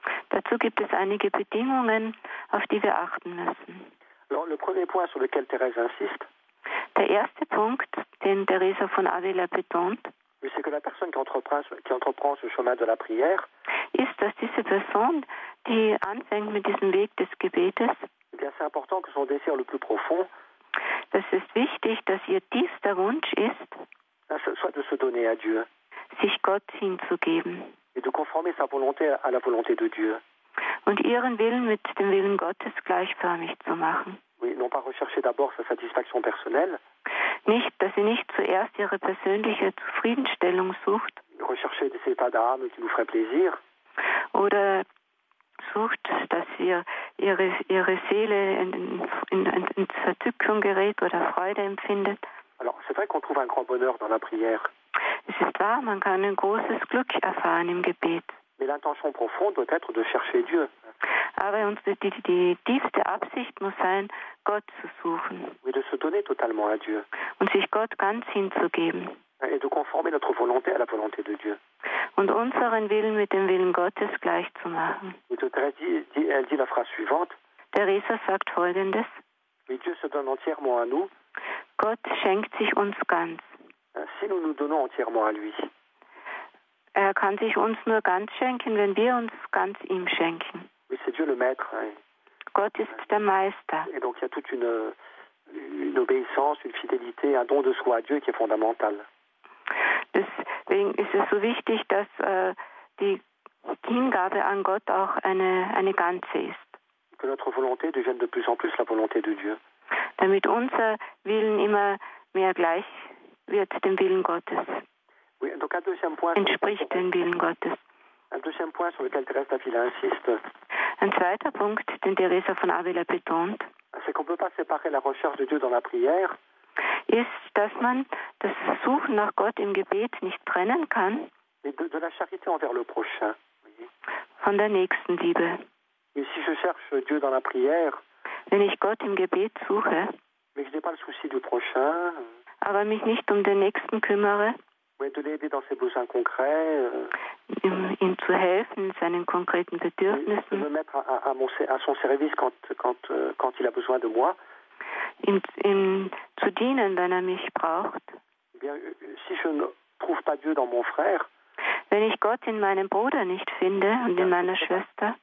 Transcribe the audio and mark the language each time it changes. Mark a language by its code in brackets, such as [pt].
[de] Dazu gibt es einige Bedingungen, auf die wir achten müssen. [fr] Alors, le premier point sur lequel Thérèse insiste, [de] der erste Punkt, den Teresa von Avila betont, [fr] c'est que la personne qui entreprend ce chemin de la prière, [de] ist, dass diese Person, die anfängt mit diesem Weg des Gebetes, [fr] eh bien, c'est important que son désir le plus profond, [de] das ist wichtig, dass ihr tiefster Wunsch ist, [fr] soit de se donner à Dieu, [de] sich Gott hinzugeben, [fr] et de conformer sa volonté à la volonté de Dieu. [de] Und ihren Willen mit dem Willen Gottes gleichförmig zu machen. [fr] Oui, non pas rechercher d'abord sa satisfaction personnelle. [de] Nicht, dass sie nicht zuerst ihre persönliche Zufriedenstellung sucht. [fr] Rechercher des états d'âme qui nous ferait plaisir. [de] Oder sucht, dass ihre Seele in Verzückung gerät oder Freude empfindet. [fr] Alors, c'est vrai qu'on trouve un grand bonheur dans la prière. [de] Es ist wahr, man kann ein großes Glück erfahren im Gebet. [fr] Mais l'intention profonde doit être de chercher Dieu. [de] Aber die tiefste Absicht muss sein, Gott zu suchen. [fr] Et de se donner totalement à Dieu. [de] Und sich Gott ganz hinzugeben. [fr] Et de conformer notre volonté à la volonté de Dieu. [de] Und unseren Willen mit dem Willen Gottes gleichzumachen. [fr] Et elle dit la phrase suivante. [de] Teresa sagt Folgendes. [fr] Mais Dieu se donne entièrement à nous. [de] Gott schenkt sich uns ganz. [fr] Si nous nous donnons entièrement à lui. [de] Er kann sich uns nur ganz schenken, wenn wir uns ganz ihm schenken. [fr] Oui, c'est Dieu le maître, hein. [de] Gott ist der Meister. [fr] Et donc il y a toute une obéissance, une fidélité, un don de soi à Dieu qui est fondamental. [de] Deswegen ist es so wichtig, dass die Hingabe an Gott auch eine ganze ist. [fr] Que notre volonté devienne de plus en plus la volonté de Dieu. [de] Damit unser Willen immer mehr gleich wird dem Willen Gottes. [fr] Oui, donc un deuxième point [de] entspricht dem Willen Gottes. [fr] Un deuxième point sur lequel Thérèse d'Avila insiste. [de] Ein zweiter Punkt, den Teresa von Avila betont, [fr] c'est qu'on peut pas séparer la recherche de Dieu dans la prière, [de] ist, dass man das Suchen nach Gott im Gebet nicht trennen kann, [fr] mais de la charité envers le prochain, oui. [de] Von der Nächstenliebe. [fr] Mais si je cherche Dieu dans la prière, [de] wenn ich Gott im Gebet suche, [fr] mais je n'ai pas le souci du prochain, [de] aber mich nicht um den Nächsten kümmere, [fr] oui, de l'aider dans ses besoins concrets, [de] ihm zu helfen, seinen konkreten Bedürfnissen, [fr] de me mettre à son service quand il a besoin de moi, [de] ihm zu dienen, wenn er mich braucht, [fr] bien, si je ne trouve pas Dieu dans mon frère, [de] wenn ich Gott in meinem Bruder nicht finde und in meiner Schwester,